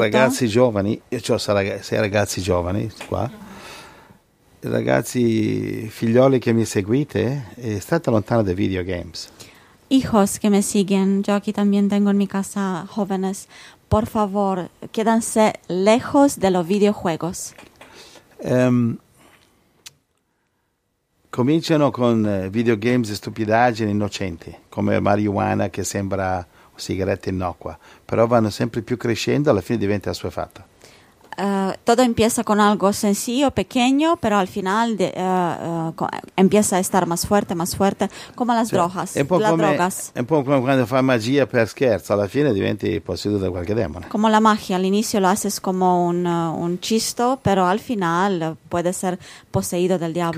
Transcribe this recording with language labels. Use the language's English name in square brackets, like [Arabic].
[Italian] Ragazzi giovani, io ho sei ragazzi giovani qua, ragazzi figlioli che mi seguite, state lontano dai videogames. [Spanish] Hijos que me siguen, yo aquí también tengo en mi casa jóvenes, por favor, quédanse lejos de los videojuegos. [Italian] Cominciano con videogames e stupidaggini innocenti, come marijuana che sembra sigaretta innocua, però vanno sempre più crescendo, alla fine diventa assuefatta. [Spanish] Todo empieza con algo sencillo, pequeño, pero al final empieza a estar más fuerte, como las drogas. [Italian] Un po' come quando fa magia per scherzo, alla fine diventi posseduto da qualche demone. [Spanish] Como la magia, [Italian] all'inizio [Spanish] lo haces como un chisto, pero al final puede ser poseído del diablo.